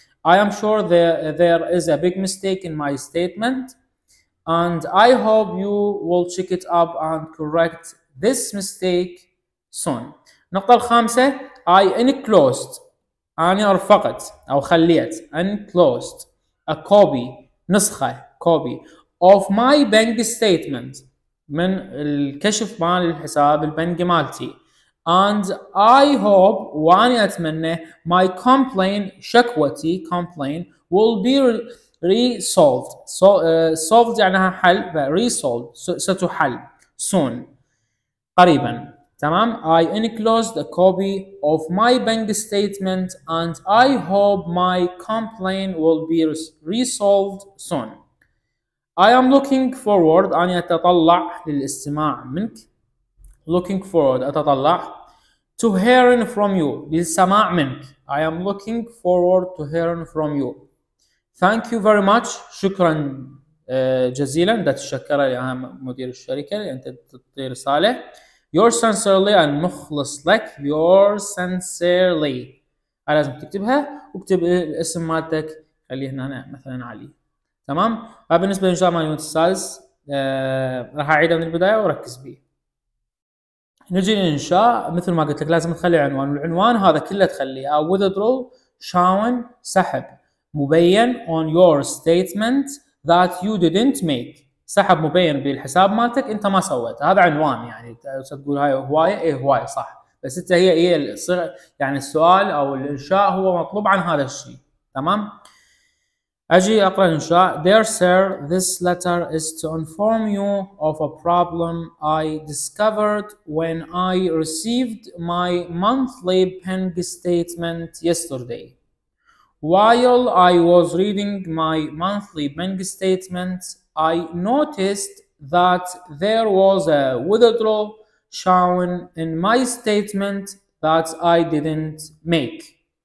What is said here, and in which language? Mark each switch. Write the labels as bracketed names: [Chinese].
[English] I am sure there is a big mistake in my statement and I hope you will check it up and correct this mistake soon. [Arabic] النقطة الخامسة [English] I enclosed [Arabic] أني أرفقت أو خليت [English] enclosed a copy [Arabic] نسخة [English] copy of my bank statement [Arabic] من الكشف مال الحساب البنك مالتي. [English] And I hope [Arabic] وأني أتمنى [English] my complaint شكوتي complaint will be resolved. [Arabic] solved يعني حل resolved ستحل soon قريبا. تمام. [English] I enclosed a copy of my bank statement and I hope my complaint will be resolved soon. I am looking forward [Arabic] أني أتطلع للاستماع منك. [English] looking forward أتطلع to hearing from you [Arabic] للسماع منك. [English] I am looking forward to hearing from you. thank you very much [Arabic] شكرا جزيلا. ده تشكر يا مدير الشركة أنت تعطي رسالة. [English] Your sincerely and [Arabic] مخلص لك. [English] Your sincerely [Arabic] لازم تكتبها واكتب الاسم مالتك اللي هنا أنا مثلا علي. تمام. بالنسبة لإنشاء مانيونت السادس راح أعيده من البداية وركز بيه. نجي للإنشاء مثل ما قلت لك لازم تخلي عنوان، والعنوان هذا كله تخليه withdrawal شاون سحب مبين [English] on your statement that you didn't make. [Arabic] سحب مبين بالحساب مالتك انت ما سويت، هذا عنوان يعني تقول هاي هوايه. ايه هوايه صح، بس انت هي ايه يعني السؤال او الانشاء هو مطلوب عن هذا الشيء. تمام. اجي اقرا الانشاء. [English] Dear sir, this letter is to inform you of a problem I discovered when I received my monthly bank statement yesterday. While I was reading my monthly bank statement, I noticed that there was a withdrawal shown in my statement that I didn't make.